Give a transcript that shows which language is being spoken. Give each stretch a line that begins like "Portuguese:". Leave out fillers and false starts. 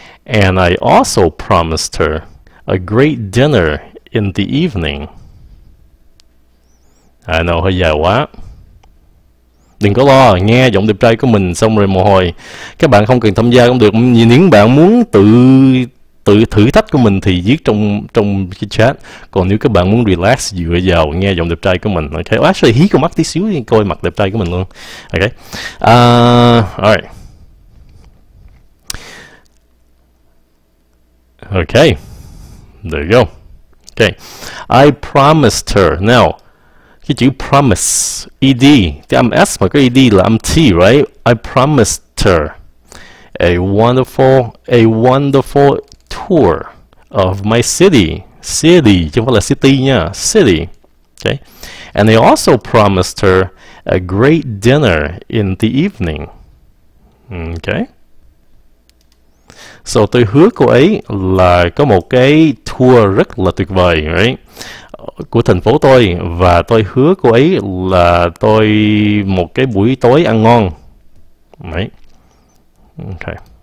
English: And I also promised her a great dinner in the evening. I know,
Vietnamese: hơi dài quá. Đừng có lo, nghe giọng đẹp trai của mình xong rồi mồ hôi. Các bạn không cần tham gia cũng được. Nếu bạn muốn tự thử thách của mình thì viết trong cái chat. Còn nếu các bạn muốn relax dựa vào nghe giọng đẹp trai của mình. Okay. Oh, actually, hí con mắt tí xíu đi, coi mặt đẹp trai của mình luôn. Okay. Alright.
English: Okay. There you go. Okay. I promised her.
Vietnamese: Now, cái chữ promise, ed, cái âm s mà cái ed là âm t, right?
English: I promised her a wonderful tour of my city,
Vietnamese: chứ không phải là city nha,
English: city. Okay, and I also promised her a great dinner in the evening. Okay,
Vietnamese: So tôi hứa cô ấy là có một cái tour rất là tuyệt vời, right? Của thành phố tôi, và tôi hứa cô ấy là tôi một cái buổi tối ăn ngon. Đấy. Right. Okay.